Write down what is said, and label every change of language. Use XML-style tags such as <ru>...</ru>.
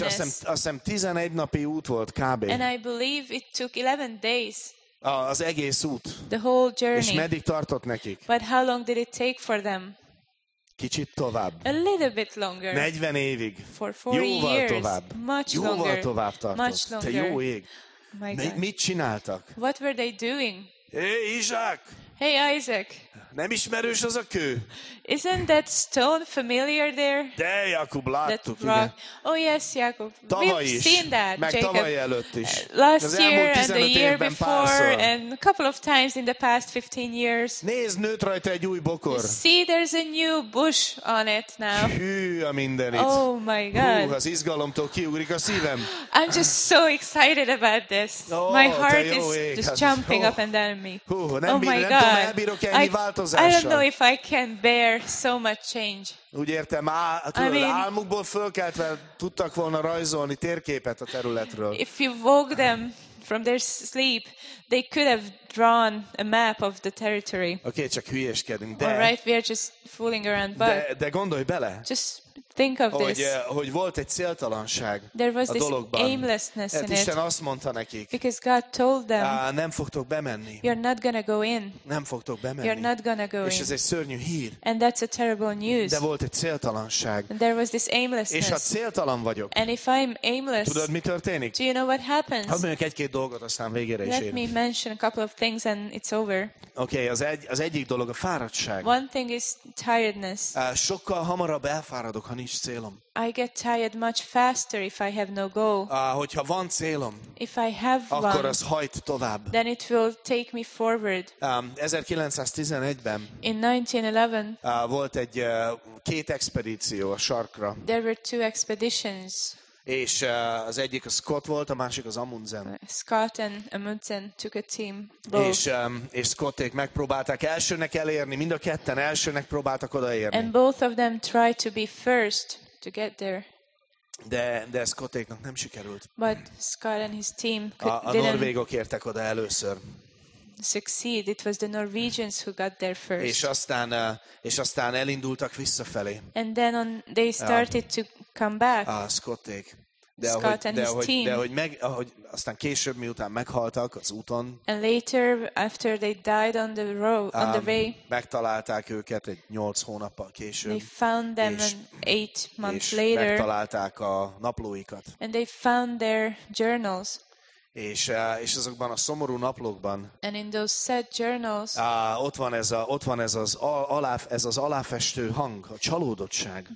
<hu>És azt hiszem 11 napi út volt kb.</hu> <en>And I believe it took 11 days.</en> <hu>Az egész út.</hu> <en>The whole journey.</en> <hu>És meddig tartott nekik?</hu> <en>But how long did it take for them?</en> <hu>Kicsit tovább.</hu> <en>A little bit longer.</en> <hu>40 évig.</hu> <en>For 40</en> <hu>Jóval</hu> <en>years.</en> <hu>Tovább.</hu> <en>Much</en> <hu>Jóval</hu> <en>longer.</en> <hu>Jóval tovább tartott.</hu> <en>Much longer.</en> <hu>Te jó ég. Mit csináltak?</hu> <en>What were they doing? Hey, Isaac! Hey, Isaac!</en> <hu>Nem ismerős az a kő?</hu> <en>Isn't that stone familiar there?</en> <hu>De, Jakub, láttuk.</hu> <en>Oh, yes, Jakub.</en> <hu>Tavaly</hu> <en>We've</en> <hu>is,</hu> <en>seen that,</en> <hu>meg</hu> <en>Jacob.</en> <hu>Tavaly előtt is.</hu> <en>Last year and the year before and a couple of times in the past 15 years.</en> <hu>Nézd, nőtt rajta egy új bokor.</hu> <en>You see, there's a new bush on it now.</en> <hu>Hű a mindenit.</hu> <en>Oh, my God.</en> <hu>Hú, az izgalomtól kiugrik a szívem.</hu> <en>I'm just so excited about this. Oh, my heart is</en> <hu>ég.</hu> <en>Just jumping up and down in me.</en> <hu>Hú, nem</hu> <en>oh, my God.</en> <hu>Nem tudom, elbírok ennyi változást.</hu> <en>I don't know if I can bear so much change.</en> <hu>Úgy értem, álmukból fölkeltve tudtak volna rajzolni térképet a területről.</hu> <en>If you woke them from their sleep, they could have drawn a map of the territory.</en> <hu>Okay, csak hülyeskedünk, de.</hu> <en>All right, we are just fooling around, but.</en> <hu>De gondolj bele.</hu> <en>Just think of</en> <hu>hogy,</hu> <en>this.</en> <hu>Hogy volt egy céltalanság</hu> <en>there was</en> <hu>a dologban.</hu> <en>This aimlessness in</en> <hu>Isten azt mondta nekik.</hu> <en>Because God told them.</en> <hu>Nem fogtok bemenni.</hu> <en>You're not gonna go in.</en> <hu>Nem fogtok bemenni.</hu> <en>You're not gonna go</en> <hu>És</hu> <en>in.</en> <hu>Ez egy szörnyű hír.</hu> <en>And that's a terrible news.</en> <hu>De volt egy céltalanság.</hu> <en>And there was this aimlessness.</en> <hu>És ha céltalan vagyok.</hu> <en>And if I'm aimless.</en> <hu>Tudod, mi történik?</hu> <en>Do you know what happens?</en> <hu>Hadd mondjak egy-két dolgot, aztán végére is</hu> <en>Let me mention a couple of things and it's over.</en> <hu>Okay, az egyik dolog a fáradtság.</hu> <en>One thing is tiredness.</en> <hu>Sokkal hamarabb elfáradok. Nincs célom.</hu> <en>I get tired much faster if I have no goal.</en> <hu>Hogyha van célom,</hu> <en>if I have</en> <hu>akkor</hu> <en>one,</en> <hu>az hajt tovább.</hu> <en>Then it will take me forward.</en> <hu>1911-ben</hu> <en>In 1911,</en> <hu>volt egy két expedíció a sarkra.</hu> <en>There were two expeditions.</en> <hu>És az egyik a Scott volt, a másik az Amundsen.</hu> <en>Scott and Amundsen took a team.</en> <hu>És Scotték megpróbálták elsőnek elérni, mind a ketten elsőnek próbáltak odaérni.</hu> <en>And both of them tried to be first to get there.</en> <hu>De Scottéknak nem sikerült.</hu> <en>But Scott and his team</en> <hu>A norvégok értek oda először.</hu> <en>Succeed. It was the Norwegians who got there first.</en> <hu>És aztán elindultak visszafelé.</hu> <en>And then they started to come back.</en> <hu>Scotték. De Scott ahogy,</hu> <en>and</en> <hu>de</hu> <en>his</en> <hu>ahogy,</hu> <en>team.</en> <hu>De ahogy meg, ahogy aztán később, miután meghaltak az úton.</hu> <en>And later, after they died on the road, on the way.</en> <hu>Megtalálták őket egy 8 hónappal később.</hu> <en>They found them</en> <hu>és,</hu> <en>8 months later.</en> <hu>Megtalálták a naplóikat.</hu> <en>And they found their journals.</en> <hu>És azokban a szomorú naplókban.</hu> <en>And in those sad journals.</en> <hu>Ott van ez az aláfestő hang, a csalódottság.</hu>